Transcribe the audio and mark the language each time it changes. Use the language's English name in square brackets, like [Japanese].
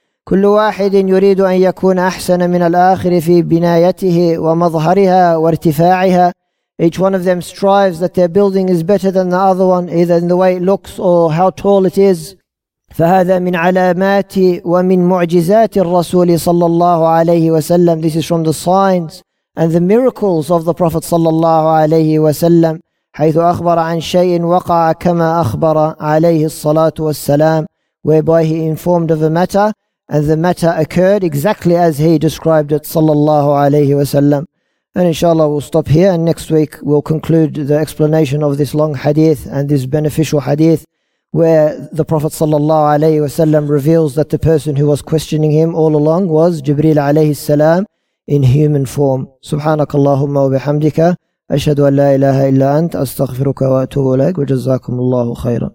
[Arabic] كل واحد يريد أن يكون أحسن من الآخر في بنايته ومظهرها وارتفاعها. [English] Each one of them strives that their building is better than the other one, either in the way it looks or how tall it is. [Arabic] فهذا من علامات ومن معجزات الرسول صلى الله عليه وسلم. [English] This is from the signs and the miracles of the Prophet صلى الله عليه وسلم. [Arabic] حيث أخبر عن شيء وقع كما أخبر عليه الصلاة والسلام, [English] whereby he informed of a matter and the matter occurred exactly as he described it صلى الله عليه وسلم. And inshallah we'll stop here and next week we'll conclude the explanation of this long hadith and this beneficial hadith where the Prophet صلى الله عليه وسلم reveals that the person who was questioning him all along was Jibreel عليه السلام in human form. [Arabic] سبحانك اللهم وبحمدك أشهد أن لا إله إلا أنت أستغفرك وأتوب إليك وجزاكم الله خيرا.